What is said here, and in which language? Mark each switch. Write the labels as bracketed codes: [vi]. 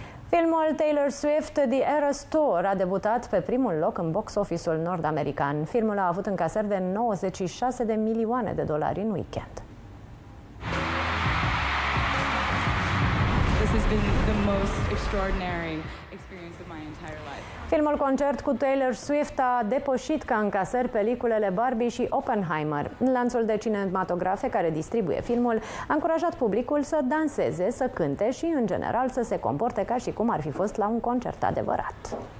[ro] Filmul Taylor Swift, The Eras Tour, a debutat pe primul loc în box-office-ul nord-american. Filmul a avut încasări de 96 de milioane de dolari în weekend. [en] This has been the most extraordinary experience of my entire life. [ro] Filmul Concert cu Taylor Swift a depășit ca încasări peliculele Barbie și Oppenheimer. Lanțul de cinematografe care distribuie filmul a încurajat publicul să danseze, să cânte și, în general, să se comporte ca și cum ar fi fost la un concert adevărat.